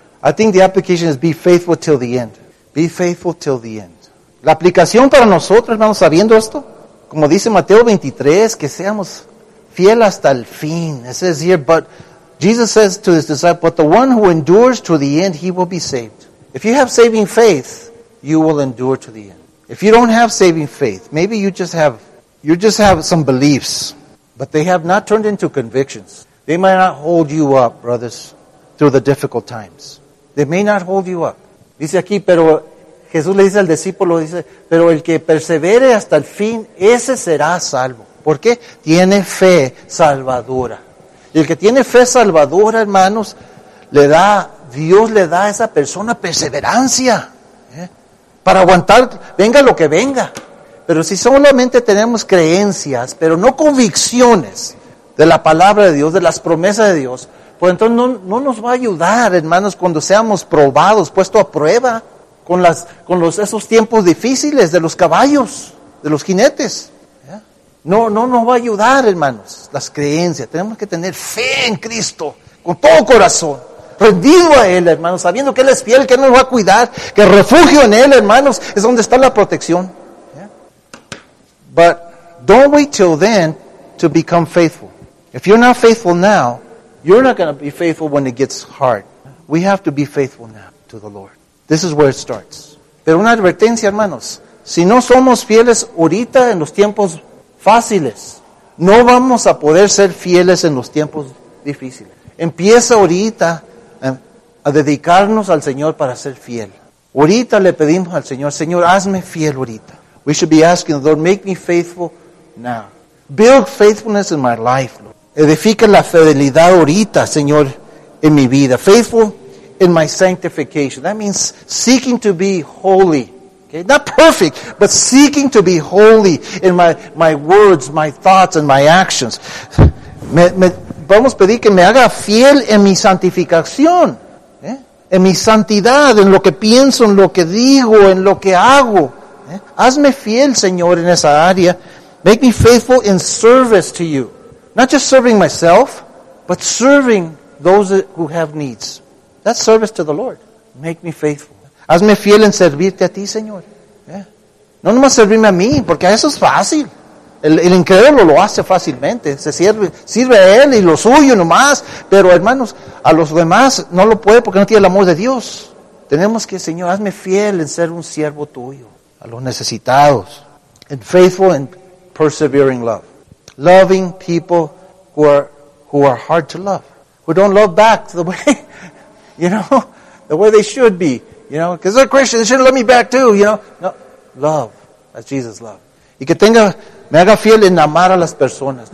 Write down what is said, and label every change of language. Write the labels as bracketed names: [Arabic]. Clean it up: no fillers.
[English] I think the application is be faithful till the end. Be faithful till the end. [Spanish] La aplicación para nosotros, hermanos, sabiendo esto, como dice Mateo 23, que seamos fiel hasta el fin. [English] It says here, but Jesus says to his disciples, but the one who endures to the end, he will be saved. If you have saving faith, you will endure to the end. If you don't have saving faith, maybe you just have some beliefs, but they have not turned into convictions. They might not hold you up, brothers, through the difficult times. They may not hold you up. [Spanish] Dice aquí, pero Jesús le dice al discípulo, dice, pero el que persevere hasta el fin, ese será salvo. ¿Por qué? Tiene fe salvadora. Y el que tiene fe salvadora, hermanos, Dios le da a esa persona perseverancia, para aguantar, venga lo que venga. Pero si solamente tenemos creencias, pero no convicciones de la palabra de Dios, de las promesas de Dios, pues entonces no nos va a ayudar, hermanos, cuando seamos probados, puesto a prueba con esos tiempos difíciles de los caballos, de los jinetes. No nos va a ayudar, hermanos, las creencias. Tenemos que tener fe en Cristo con todo corazón, rendido a Él, hermanos, sabiendo que Él es fiel, que Él nos va a cuidar, que el refugio en Él, hermanos, es donde está la protección. [English] But don't wait till then to become faithful. If you're not faithful now, you're not going to be faithful when it gets hard. We have to be faithful now to the Lord. This is where it starts. [Spanish] Pero una advertencia, hermanos. Si no somos fieles ahorita en los tiempos fáciles, no vamos a poder ser fieles en los tiempos difíciles. Empieza ahorita a dedicarnos al Señor para ser fiel. Ahorita le pedimos al Señor, Señor, hazme fiel ahorita. [English] We should be asking the Lord, make me faithful now. Build faithfulness in my life, Lord. [Spanish] Edifica la fidelidad ahorita, Señor, en mi vida. [English] Faithful in my sanctification. That means seeking to be holy. Okay? Not perfect, but seeking to be holy in my words, my thoughts, and my actions. [Spanish] Vamos a pedir que me haga fiel en mi santificación. En mi santidad, en lo que pienso, en lo que digo, en lo que hago. Hazme fiel, Señor, en esa área. [English] Make me faithful in service to you. Not just serving myself, but serving those who have needs. That's service to the Lord. Make me faithful. [Spanish] Hazme fiel en servirte a ti, Señor. No nomás servirme a mí, porque eso es fácil. El incrédulo lo hace fácilmente. Se sirve a él y lo suyo nomás. Pero hermanos, a los demás no lo puede porque no tiene el amor de Dios. Tenemos que, Señor, hazme fiel en ser un siervo tuyo. A los necesitados. [English] And faithful and persevering love. Loving people who are hard to love. Who don't love back the way, you know, the way they should be. You know, because they're Christians, they should love me back too, you know. No, love, as Jesus loved. [Spanish] Y que tenga... Me haga fiel en amar a las personas.